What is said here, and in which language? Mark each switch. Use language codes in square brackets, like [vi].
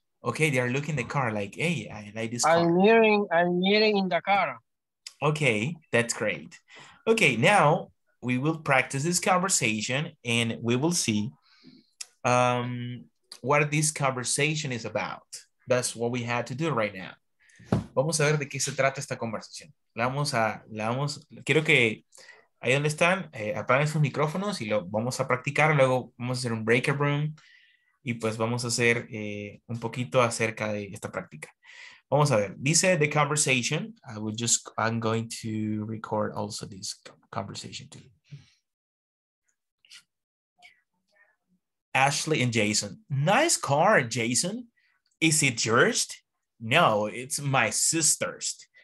[en] Okay, they are looking the car. Like, hey, I like this car. I'm hearing in the car. Okay, that's great. Okay, now we will practice this conversation and we will see. What this conversation is about. That's what we had to do right now. [es] Vamos a ver de qué se trata esta conversación. Quiero que ahí donde están, apaguen sus micrófonos y lo vamos a practicar. Luego vamos a hacer un breaker room y pues vamos a hacer un poquito acerca de esta práctica. Vamos a ver. Dice [en] the conversation. I'm going to record also this conversation too. Ashley and Jason. Nice car, Jason. Is it yours? No, it's my sister's.